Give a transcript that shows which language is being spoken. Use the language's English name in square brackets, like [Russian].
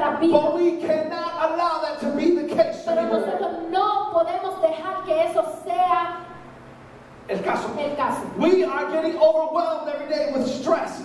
[English] But we cannot allow that to be the case. [Spanish] Pero nosotros no podemos dejar que eso sea el caso. El caso. [English] We are getting overwhelmed every day with stress.